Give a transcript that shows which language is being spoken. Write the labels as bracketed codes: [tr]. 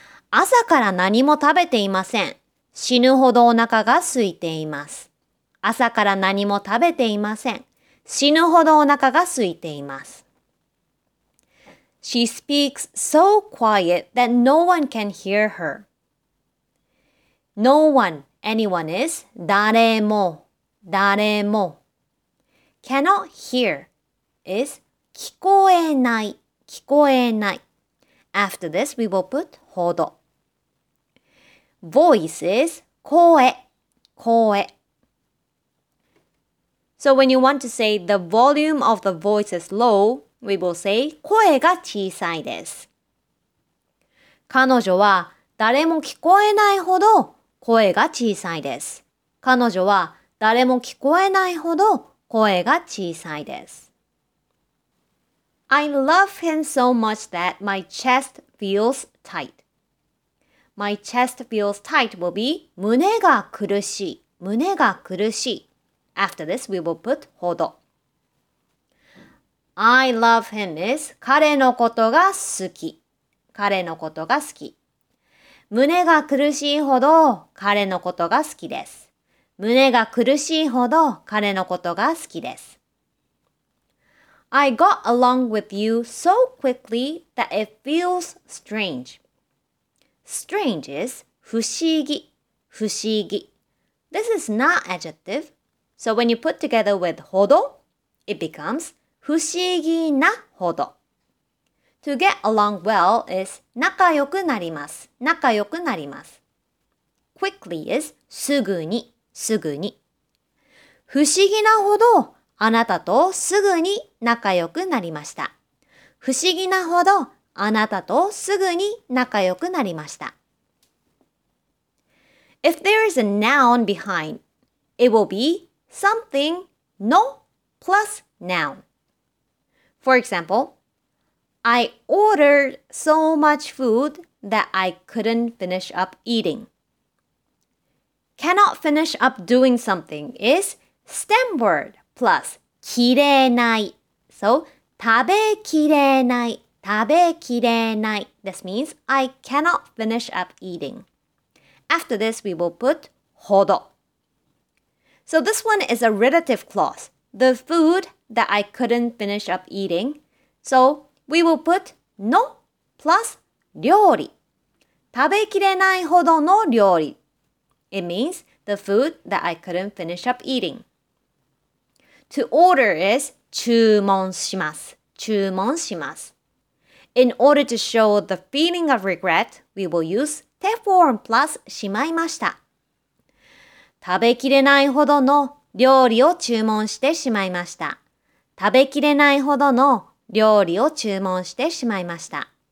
[ja] 朝から何も食べていません。死ぬほどお腹が空いています。朝から何も食べていません。 死ぬほどお腹が空いています。 [en] She speaks so quiet that no one can hear her. No one, anyone is [ja] 誰も、誰も。 [en] Cannot hear is [ja] 聞こえない、聞こえない。 [en] After this, we will put ほど。Voice is [ja] 声、声。 [en] So when you want to say the volume of the voice is low, we will say [ja] 声が小さいです。彼女は誰も聞こえないほど声が小さいです。彼女は誰も聞こえないほど声が小さいです。 [en] I love him so much that my chest feels tight. My chest feels tight will be [ja] 胸が苦しい、胸が苦しい。 [en] After this, we will put ほど。 I love him is [ja] 彼のことが好き、彼のことが好き。胸が苦しいほど彼のことが好きです。胸が苦しいほど彼のことが好きです。 [en] I got along with you so quickly that it feels strange. Strange is [ja] 不思議、不思議。 [en] This is not adjective. So when you put together with ほど, it becomes [ja] 不思議なほど。 [en] To get along well is [ja] 仲良くなります。仲良くなります。 [en] Quickly is [ja] すぐに、すぐに。不思議なほどあなたとすぐに仲良くなりました。不思議なほどあなたとすぐに仲良くなりました。 [en] If there is a noun behind, it will be something の plus noun. For example,I ordered so much food that I couldn't finish up eating. Cannot finish up doing something is stem word plus [ja] 食べない。 [en] So, [ja] 食べきれない。食べきれない。 [en] This means I cannot finish up eating. After this, we will put [ja] ほど。 [en] So this one is a relative clause. The food that I couldn't finish up eating. So,We will put の plus [ja] 料理。食べきれないほどの料理。 [en] It means the food that I couldn't finish up eating. To order is [ja] 注文します。注文します。 [en] In order to show the feeling of regret, we will use て form plus しまいました。 [ja] 食べきれないほどの料理を注文してしまいました。食べきれないほどの料理を注文してしまいました。